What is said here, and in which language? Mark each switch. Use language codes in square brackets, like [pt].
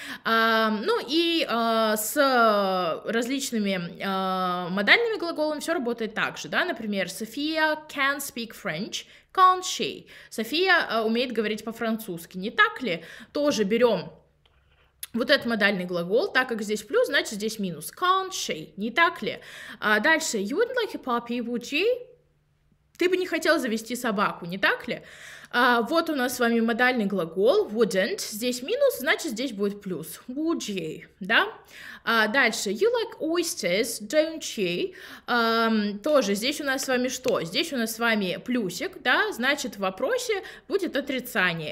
[ru] Ну и с различными модальными глаголами все работает так же, да, например, [en] Sophia can speak French, can't she? [ru] София умеет говорить по-французски, не так ли? Тоже берем вот этот модальный глагол, так как здесь плюс, значит, здесь минус, [en] can't she, [ru] не так ли? Дальше, [en] you wouldn't like a puppy, would you? [ru] Ты бы не хотел завести собаку, не так ли? Вот у нас с вами модальный глагол wouldn't, здесь минус, значит, здесь будет плюс, [en] would you, [ru] да? Дальше, [en] you like oysters, don't you? [ru] Тоже здесь у нас с вами что? Здесь у нас с вами плюсик, да, значит, в вопросе будет отрицание.